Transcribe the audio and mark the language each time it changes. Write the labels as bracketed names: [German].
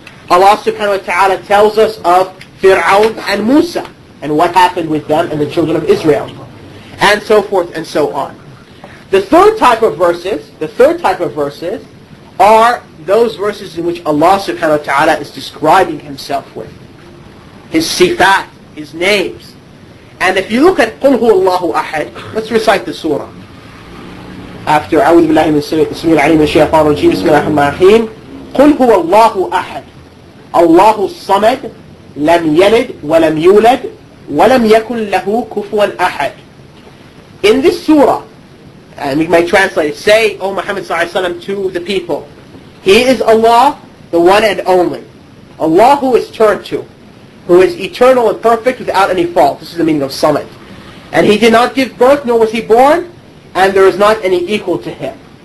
[English] Allah subhanahu wa ta'ala tells us of Fir'aun and Musa and what happened with them and the children of Israel, and so forth and so on. The third type of verses are those verses in which Allah subhanahu wa ta'ala is describing Himself with His sifat, His names. And if you look at Qul Hu Allahu Ahad, let's recite the surah. [Arabic] After أعوذ بالله من السميع العليم من الشيطان الرجيم بسم الله الرحمن الرحيم قل هو الله أحد الله الصمد لم يلد ولم يولد ولم يكن له كفوا أحد. [English] In this surah, and we may translate it, say, O Muhammad sallallahu alayhi wa sallam, to the people, He is Allah, the one and only, Allah who is turned to, who is eternal and perfect without any fault. This is the meaning of Samad. And He did not give birth, nor was He born, and there is not any equal to Him.